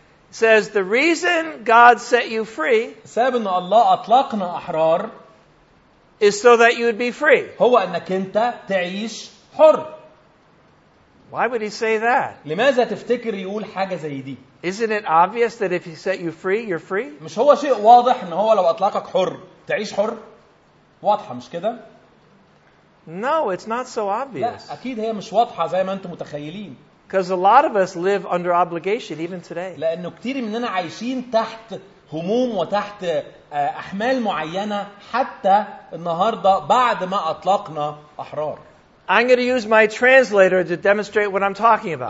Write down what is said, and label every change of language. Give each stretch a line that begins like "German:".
English: Says the reason God set you free.
Arabic: سبب إن الله أطلقنا أحرار.
English: Is so that you would be free.
Arabic: هو إنك أنت تعيش حر.
English: Why would he say that?
Arabic: لماذا تفتكر يقول حاجة زي دي?
English: Isn't it obvious that if he set you free, you're free?
Arabic: مش هو شيء واضح إن هو لو أطلقك حر تعيش حر? واضحة مش كده?
English: No, it's not so obvious.
Arabic: لا أكيد هي مش واضحة زي ما أنتم متخيلين.
English: Because a lot of us live under obligation even today.
Arabic: لأنه كتير مننا عايشين تحت هموم وتحت أحمال معينة حتى النهاردة بعد ما أطلقنا أحرار.
English: I'm going to use my translator to demonstrate what I'm talking about.